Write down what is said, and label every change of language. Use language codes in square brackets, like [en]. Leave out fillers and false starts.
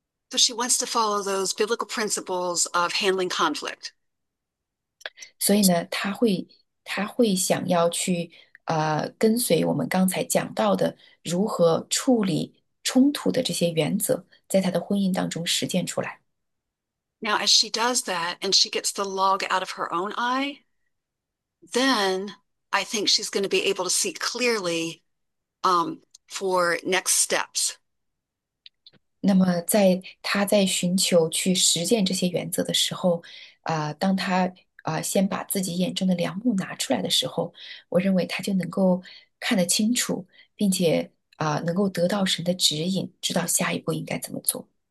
[en] So she wants to follow those biblical principles of handling conflict. [zh] 所以呢，他会想要去跟随我们刚才讲到的如何处理冲突的这些原则，在他的婚姻当中实践出来。 [en] Now, as she does that and she gets the log out of her own eye, then I think she's going to be able to see clearly, for next steps. [zh] 那么，在他在寻求去实践这些原则的时候，当他。先把自己眼中的梁木拿出来的时候，我认为他就能够看得清楚，并且能够得到神的指引，知道下一步应该怎么做。